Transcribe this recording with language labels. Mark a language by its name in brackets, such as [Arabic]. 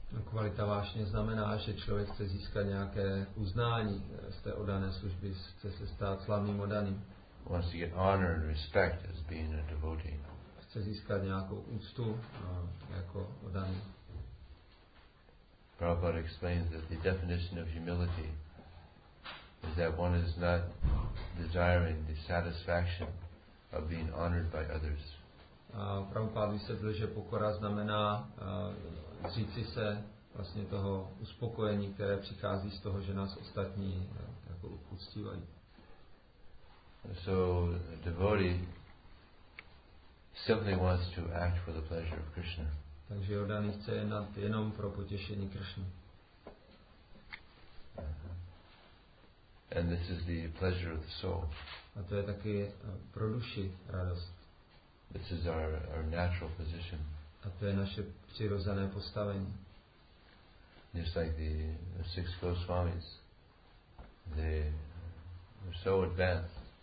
[Czech] Kvalita vášně znamená, že člověk chce získat nějaké uznání z té odané služby, chce se stát slavným odaným. [English] Wants to get honor and respect as being a devotee. [Czech] Chce získat nějakou úctu jako odaný. [English] Prabhupada explains that the definition of humility is that one is not desiring the satisfaction of being honored by others. [Czech] Prabhupada vysvětlil, že pokora znamená říci se vlastně toho uspokojení, které přichází z toho, že nás ostatní jako uctívají. [English] So devotee simply wants to act for the pleasure of Krishna. [Czech] Takže Yoda nechce jednat jenom pro potěšení Krishny. [English] And this is the pleasure of the soul. [Czech] A to je taky pro duši radost. [English] This is our natural position. [Czech] A to je naše přirozené postavení. [English] Just like the six Goswamis, they were so advanced.